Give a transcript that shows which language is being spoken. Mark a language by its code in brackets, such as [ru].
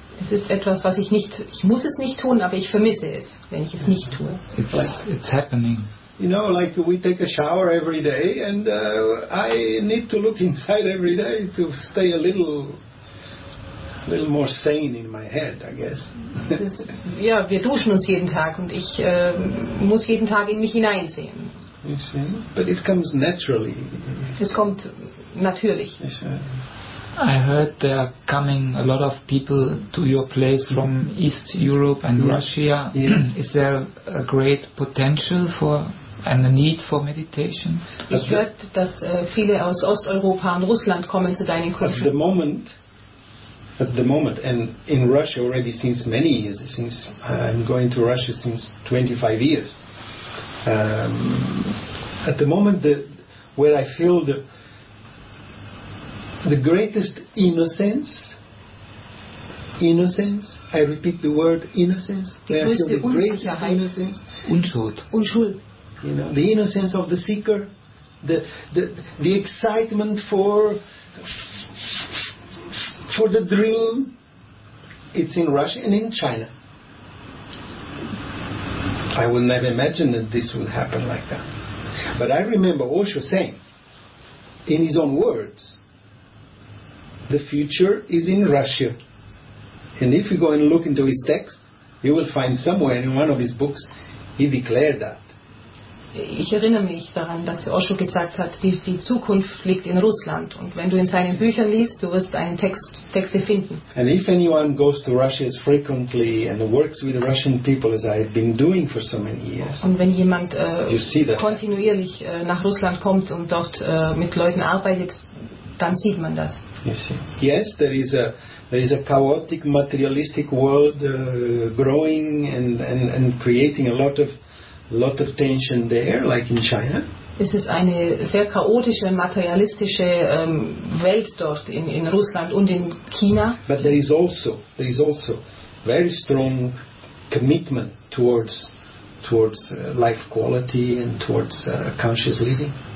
[de] Es ist etwas, was ich muss es nicht tun, aber ich vermisse es, wenn ich es nicht tue. [en] It's happening. You know, like we take a shower every day and I need to look inside every day to stay a little more sane in my head, I guess. [de] Ja, wir duschen uns jeden Tag und ich muss jeden Tag in mich hineinsehen. [en] You see? But it comes naturally. [de] Es kommt natürlich. [en] I heard there are coming a lot of people to your place from East Europe and yes. Russia. Yes. Is there a great potential for and a need for meditation? [de] Ich hört, dass viele aus Osteuropa und Russland kommen zu deinen Kursen. [en] At the moment, and in Russia already since many years, since I'm going to Russia since 25 years. At the moment, where I feel the greatest innocence, I repeat the word innocence, [de] Unschuld. [en] You know, the innocence of the seeker, the excitement for the dream, it's in Russia and in China. I would never imagine that this would happen like that. But I remember Osho saying, in his own words, the future is in Russia. And if you go and look into his text, you will find somewhere in one of his books, he declared that. [de] Ich erinnere mich daran, dass Osho gesagt hat, die Zukunft liegt in Russland. Und wenn du in seinen Büchern liest, du wirst einen Texte finden. [en] And if anyone goes to Russia as frequently and works with Russian people as I've been doing for so many years. [de] Und wenn jemand kontinuierlich nach Russland kommt und dort mit Leuten arbeitet, dann sieht man das. [en] You see. Yes, there is a chaotic materialistic world growing and creating a lot of tension there, like in China. [de] Es ist eine sehr chaotische, materialistische Welt dort in Russland und in China. [en] But there is also very strong commitment towards life quality and towards conscious living.